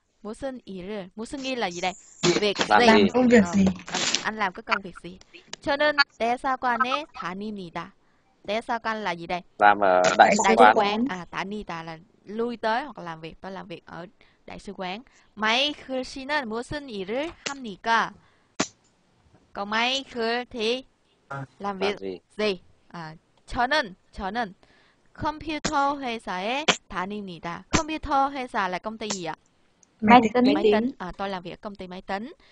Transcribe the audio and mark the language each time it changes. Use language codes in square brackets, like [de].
[ko] 무슨 일을? [vi] 무슨 일 là gì đây? Việc gì? Làm công việc gì? Anh làm cái công việc gì? Cho nên [ko] 대사관에 다닙니다. [vi] 대사관 là gì đây? Làm ở đại sứ quán. À, 다닙니다 là lui tới hoặc làm việc. Tôi làm việc ở đại sứ quán. [ko] 마이클 씨는 무슨 일을 합니까? [vi] Còn 마이클 thì làm việc gì? [ko] À, 저는 컴퓨터 회사에 다닙니다. [vi] 컴퓨터 회사 là công ty gì ạ? Máy tính. À, tôi làm việc ở công ty máy tính.